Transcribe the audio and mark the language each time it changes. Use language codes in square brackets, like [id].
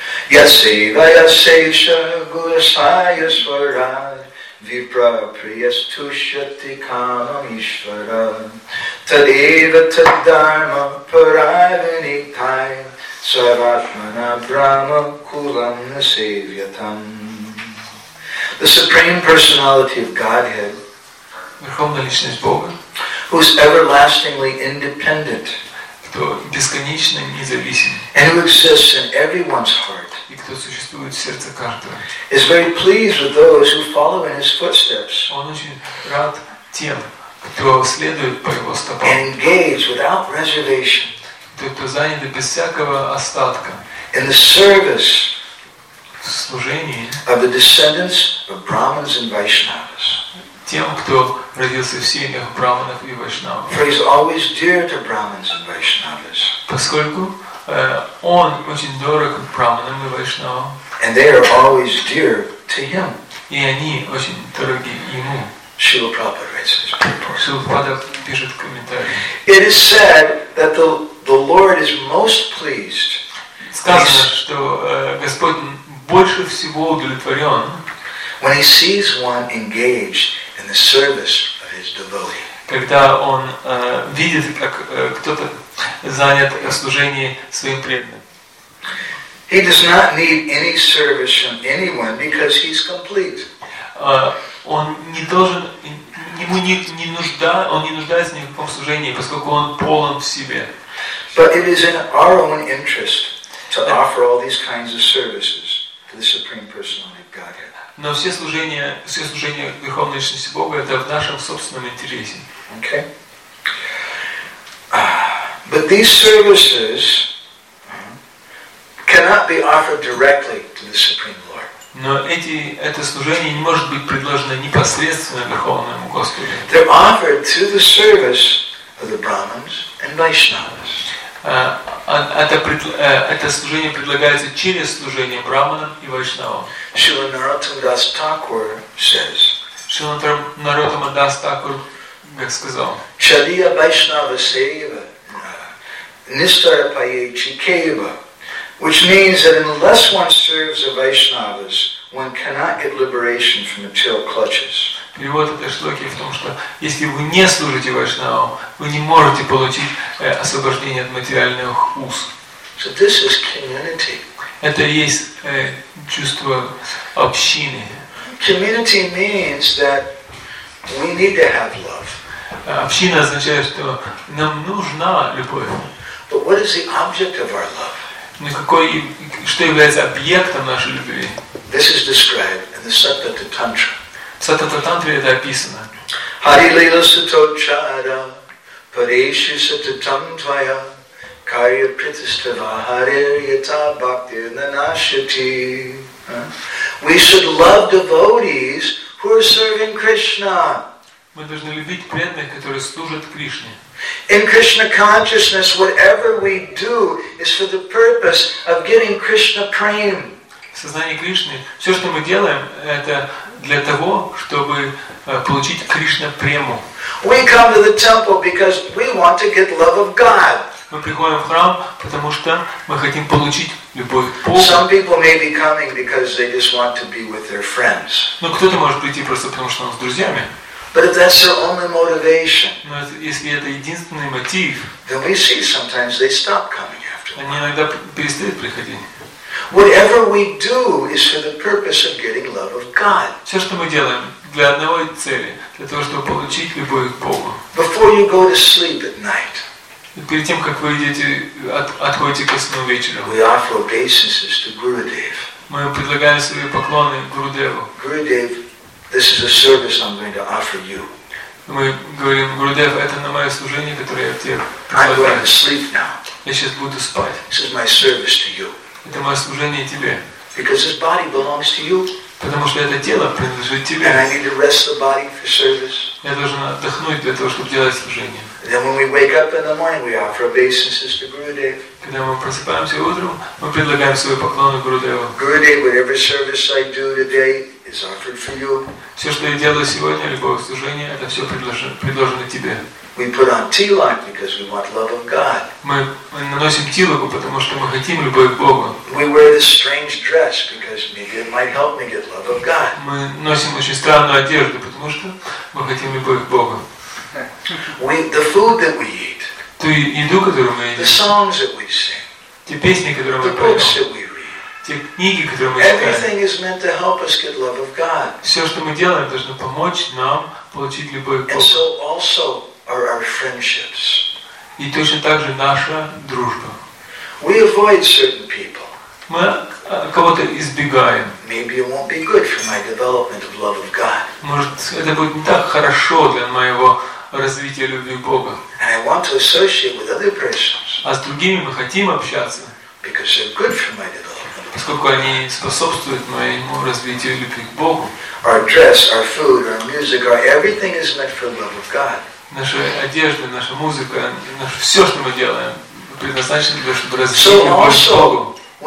[sa] Yasevaya sesha gurasaya swarad vipra priyastushati kamam ishvara tadeva taddharma paravinitai saratmana brahma kulam nasevyatam. [en] The Supreme Personality of Godhead, [ru] Верховная Личность Бога, [en] who is everlastingly independent, [ru] кто бесконечно независим, [en] and who exists in everyone's heart, [ru] и кто существует в сердце каждого. [en] Is very pleased with those who follow in his footsteps. [ru] Он очень рад тем, кто следует по его стопам. [en] And engaged without reservation. [ru] Тот, кто занят без всякого остатка. [en] In the service. [ru] В служении. [en] Of the descendants of Brahmins and Vaishnavas. [ru] Тем, кто родился в семьях Брахманов и Вайшнавов. [en] For he is always dear to Brahmins and Vaishnavas. [ru] Поскольку он очень дорог Брахманам и Вайшнавам. [en] And they are always dear to him. [ru] И они очень дороги ему. [en] Шрила Прабхупада writes this purport. [ru] Шрила Прабхупада пишет комментарий. [en] It is said that the Lord is most pleased. [ru] Сказано, что Господь больше всего удовлетворен. [en] When he sees one engaged in the service of his devotee. [ru] Когда он видит, как кто-то занят в служении своим преданным. [en] He does not need any service from anyone because he's complete. [ru] Он не должен, ему не нужда, он не нуждается ни в каком служении, поскольку он полон в себе. [en] But it is in our own interest to offer all these kinds of services to the Supreme Personality of Godhead. [ru] Но все служение Верховной Личности Бога это в нашем собственном интересе. [en] Okay. But these services cannot be offered directly to the Supreme Lord. [ru] Но это служение не может быть предложено непосредственно Верховному Господу. [en] They're offered through the service of the Brahmins and Vaishnavas. [ru] Это служение предлагается через служение Брахманам и Вайшнавам. [en] Шрила Наротама Дас Такур says. [ru] Шрила Наротама Дас Такур сказал. [sa] Чадия Вайшнава Сева Нистара Паечи Кева, [en] which means that unless one serves the Vaishnavas, One cannot get liberation from material clutches. [ru] Перевод этой штуки в том, что если вы не служите вайшнавам, вы не можете получить освобождение от материальных уз. [en] So this is community. [ru] Это и есть чувство общины. [en] Community means that we need to have love. [ru] Община означает, что нам нужна любовь. [en] But what is the object of our love? [ru] Но что является объектом нашей любви? [en] This is described in the Satata Tantra. [ru] В Сатата Тантре это описано. [sa] Hari Lila Satochara Parishu Satatam Tvaya Kaya Pritistava Hare Yata Bhakti Nanashati. [en] We should love devotees who are serving Krishna. [ru] Мы должны любить преданных, которые служат Кришне. [en] In Krishna consciousness, whatever we do is for the purpose of getting Krishna prem. [ru] В сознании Кришны все, что мы делаем, это для того, чтобы получить Кришна прему. [en] We come to the temple because we want to get love of God. [ru] Мы приходим в храм, потому что мы хотим получить любовь к Богу. [en] Some people may be coming because they just want to be with their friends. [ru] Но кто-то может прийти просто потому, что он с друзьями. [en] But if that's their only motivation, [ru] но если это единственный мотив, [en] then we see sometimes they stop coming after. [ru] Они иногда перестают приходить. [en] Whatever we do is for the purpose of getting love of God. [ru] Все, что мы делаем, для одной цели, для того, чтобы получить любовь к Богу. [en] Before you go to sleep at night, [ru] перед тем, как вы идете, отходите ко сну вечером, [en] we offer obeisances to Gurudev. [ru] Мы предлагаем свои поклоны Гурудеву. [en] Gurudev, this is a service I'm going to offer you. [ru] Мы говорим, Гурудев, это на мое служение, которое я тебе предлагаю. [en] I'm going to sleep now. [ru] Я сейчас буду спать. [en] This is my service to you. [ru] Это мое служение тебе. [en] Because this body belongs to you. [ru] Потому что это тело принадлежит тебе. [en] And I need to rest the body for service. [ru] Я должен отдохнуть для того, чтобы делать служение. [en] Then when we wake up in the morning, we offer obeisances to Gurudev. [ru] Когда мы просыпаемся утром, мы предлагаем свои поклоны Гурудеву. [en] Gurudev, whatever service I do today is offered for you. [ru] Все, что я делаю сегодня, любое служение, это все предложено тебе. [en] We put on tilak because we want love of God. [ru] Мы наносим тилаку, потому что мы хотим любовь к Богу. [en] We wear this strange dress because maybe it might help me get love of God. [ru] Мы носим очень странную одежду, потому что мы хотим любовь к Богу. [en] The food that we eat. [ru] Ту еду, которую мы едим. [en] The songs that we sing. [ru] Те песни, которые мы поем. [en] The books that we read. [ru] Те книги, которые мы читаем. [en] Everything is meant to help us get love of God. [ru] Все, что мы делаем, должно помочь нам получить любовь к Богу. [en] And so also are our friendships. [ru] И точно так же наша дружба. [en] We avoid certain people. [ru] Мы кого-то избегаем. [en] Maybe it won't be good for my development of love of God. [ru] Может, это будет не так хорошо для моего развития любви к Богу. [en] And I want to associate with other persons. [ru] А с другими мы хотим общаться. [en] Because they're good for my development. [ru] Поскольку они способствуют моему развитию любви к Богу. [en] Our dress, our food, our music, our everything is meant for love of God. [ru] Наша одежда, наша музыка, наше все, что мы делаем, предназначено для того, чтобы развить любовь к Богу.